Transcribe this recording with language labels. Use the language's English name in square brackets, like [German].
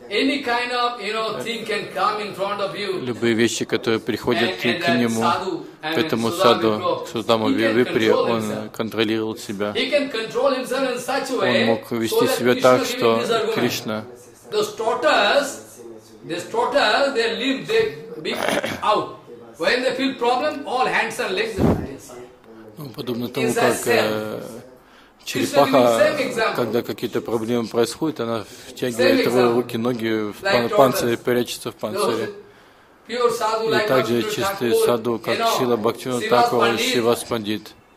[English] Any kind of, you know, thing can come in front of you. [Russian] Любые вещи, которые приходят к нему, к этому саду, к Судама Випре, он контролировал себя. [English] He can control himself in such a way. [Russian] Он мог вести себя так, что Кришна. [English] Those trotters, they leave, they be out. When they feel problem, all hands and legs. [Russian] Подобно тому, как черепаха, когда какие-то проблемы происходят, она втягивает руки, ноги в панцирь, прячется в панцире. И также чистый саду, как Шрила Бхактивинода Тхакура, Шивас Пандит.